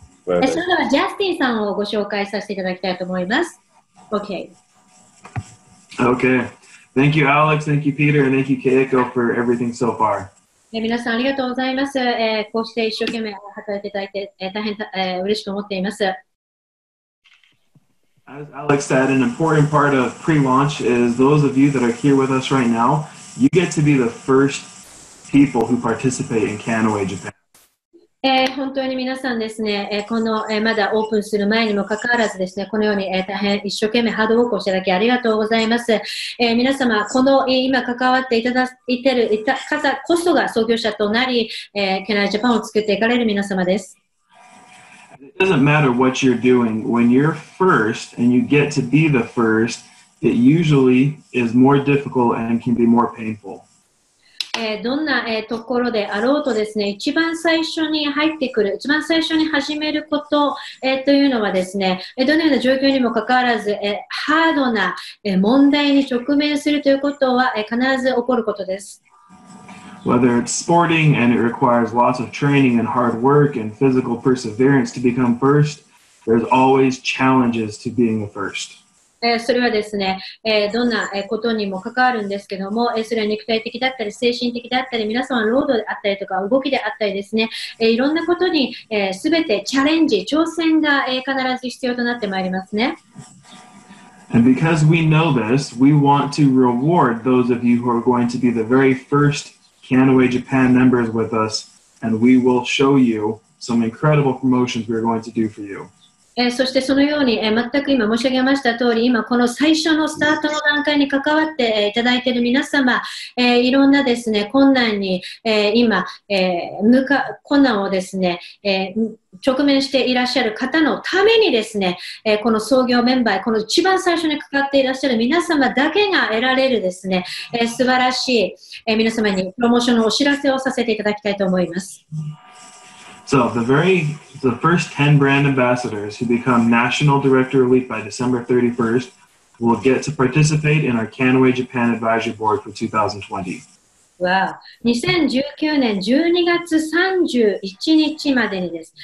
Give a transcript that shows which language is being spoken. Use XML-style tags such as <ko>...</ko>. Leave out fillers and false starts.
<ja>それではジャスティンさんをご紹介させていただきたいと思います。</ja> <en>Okay. Okay. Thank you, Alex. Thank you, Peter. And thank you, Keiko, for everything so far.</en> <ja>皆さんありがとうございます。こうして一生懸命働いていただいて、大変嬉しく思っています。</ja> <en>As Alex said, an important part of pre-launch is those of you that are here with us right now, you get to be the first people who participate in Kannaway Japan.</en> <ja>本当に皆さんですね、この、まだオープンする前にもかかわらずですね、このように、大変一生懸命ハードウォークをしていただきありがとうございます。皆様、この今関わっていただいている方こそが創業者となり、Kannaway Japan を作っていかれる皆様です。</ja> <en>It doesn't matter what you're doing. When you're first and you get to be the first, it usually is more difficult and can be more painful.</en> <ja>どんなところであろうとですね、一番最初に入ってくる、一番最初に始めることというのはですね、どのような状況にもかかわらず、ハードな問題に直面するということは必ず起こることです。</ja> <en>Whether it's sporting and it requires lots of training and hard work and physical perseverance to become first, there's always challenges to being the first.</en> <ja>それはですね、どんなことにも関わるんですけども、それは肉体的だったり、精神的だったり、皆様の労働であったりとか、動きであったりですね、いろんなことに、全てチャレンジ、挑戦が、必ず必要となってまいりますね。</ja> <en>And because we know this, we want to reward those of you who are going to be the very first Kannaway Japan members with us, and we will show you some incredible promotions we're going to do for you.</en> <ja>そしてそのように、全く今申し上げました通り、今この最初のスタートの段階に関わって、いただいている皆様、いろんなですね、困難に、今、困難をですね、直面していらっしゃる方のためにですね、この創業メンバー、この一番最初に関わっていらっしゃる皆様だけが得られるですね、素晴らしい、皆様にプロモーションのお知らせをさせていただきたいと思います。</ja> <en>So the first 10 brand ambassadors who become National Director Elite by December 31st will get to participate in our Kannaway Japan Advisory Board for 2020. Wow.</en> <ja>2019年12月31日までにです。</ja>